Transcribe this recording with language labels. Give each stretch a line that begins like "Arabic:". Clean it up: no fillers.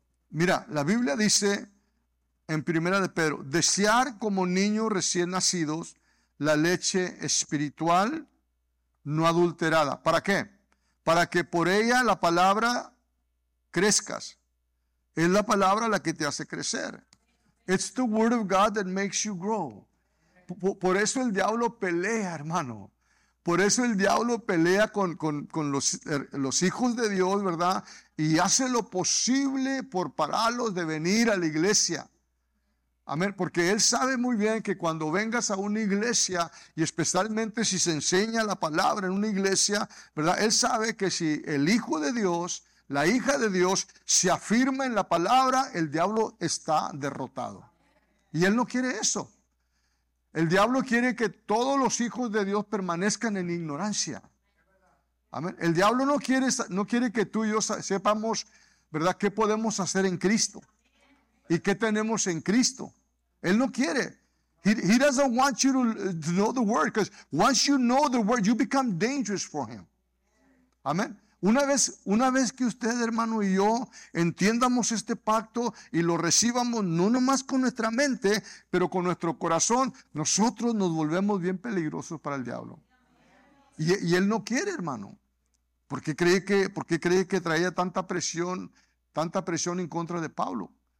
Spanish: Mira, la Biblia dice en primera de Pedro, desear como niños recién nacidos la leche espiritual no adulterada. ¿Para qué? Para que por ella la palabra crezcas. Es la palabra la que te hace crecer.
English: It's the word of God that makes you grow.
Spanish: Por eso el diablo pelea, hermano. Por eso el diablo pelea con los hijos de Dios, ¿verdad? Y hace lo posible por pararlos de venir a la iglesia. Amén. Porque él sabe muy bien que cuando vengas a una iglesia, y especialmente si se enseña la palabra en una iglesia, ¿verdad? Él sabe que si el hijo de Dios, la hija de Dios, se afirma en la palabra, el diablo está derrotado. Y él no quiere eso. El diablo quiere que todos los hijos de Dios permanezcan en ignorancia. Amén. El diablo no quiere que tú y yo sepamos, ¿verdad?, qué podemos hacer en Cristo y qué tenemos en Cristo. Él no quiere.
English: He doesn't want you to know the word, because once you know the word, you become dangerous for him.
Spanish: Amén. Una vez que usted, hermano, y yo entiendamos este pacto y lo recibamos, no nomás con nuestra mente, pero con nuestro corazón, nosotros nos volvemos bien peligrosos para el diablo. Y él no quiere, hermano. ¿Por qué cree que traía tanta presión en contra de Pablo?